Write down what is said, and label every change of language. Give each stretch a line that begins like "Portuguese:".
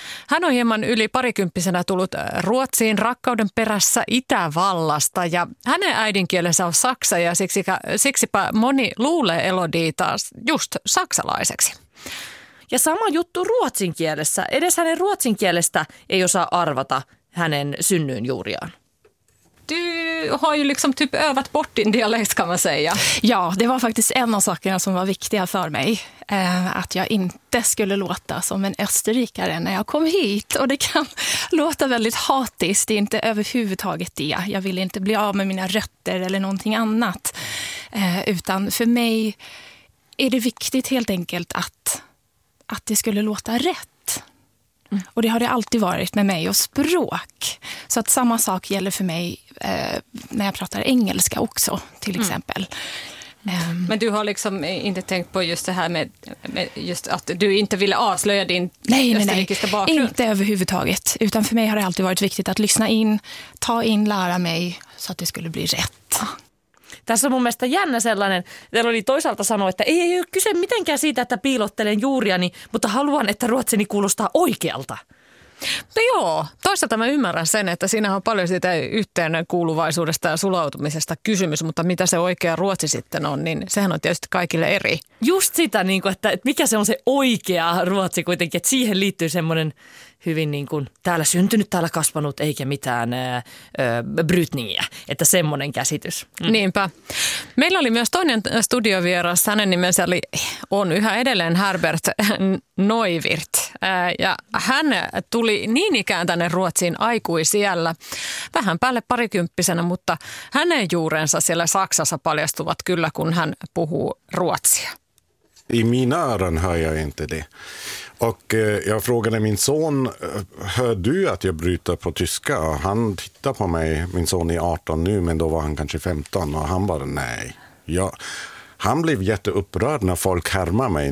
Finnish: Hän on hieman yli parikymppisenä tullut Ruotsiin rakkauden perässä Itävallasta ja hänen äidinkielensä on saksa ja siksipä moni luulee Elodie taas just saksalaiseksi. Ja sama juttu ruotsin kielessä. Edes hänen ruotsin kielestä ei osaa arvata hänen synnyin juuriaan.
Swedish: Du har ju liksom typ övat bort din dialekt kan man säga. Ja, det var faktiskt en av sakerna som var viktiga för mig. Att jag inte skulle låta som en österrikare när jag kom hit. Och det kan låta väldigt hatiskt, det är inte överhuvudtaget det. Jag vill inte bli av med mina rötter eller någonting annat. Utan för mig är det viktigt helt enkelt att det skulle låta rätt. Mm. Och det har det alltid varit med mig och språk. Så att samma sak gäller för mig när jag pratar engelska också, till exempel. Men du har liksom inte tänkt på just det här med just att du inte ville avslöja din österrikiska bakgrund? Nej, inte överhuvudtaget. Utan för mig har det alltid varit viktigt att lyssna in, ta in, lära mig så att det skulle bli rätt.
Finnish: Tässä on mun mielestä jännä sellainen, teillä oli toisaalta sanoa, että ei ole kyse mitenkään siitä, että piilottelen juuriani, mutta haluan, että ruotsini kuulostaa oikealta. No joo, toisaalta mä ymmärrän sen, että siinähän on paljon sitä yhteen kuuluvaisuudesta ja sulautumisesta kysymys, mutta mitä se oikea ruotsi sitten on, niin sehän on tietysti kaikille eri. Just sitä, että mikä se on se oikea ruotsi kuitenkin, että siihen liittyy semmoinen hyvin niin kuin täällä syntynyt, täällä kasvanut, eikä mitään brytningiä, että semmoinen käsitys. Mm. Niinpä. Meillä oli myös toinen studiovieras, hänen nimensä on yhä edelleen Herbert Neuwirth. Ja hän tuli niin ikään tänne Ruotsiin aikuisiällä, vähän päälle parikymppisenä, mutta hänen juurensa siellä Saksassa paljastuvat kyllä, kun hän puhuu ruotsia.
Swedish: I mina öron hör jag inte det. Och jag frågade min son, hör du att jag bryter på tyska? Och han tittar på mig, min son är 18 nu, men då var han kanske 15. Och han bara, nej. Ja, han blev jätteupprörd när folk härmar mig.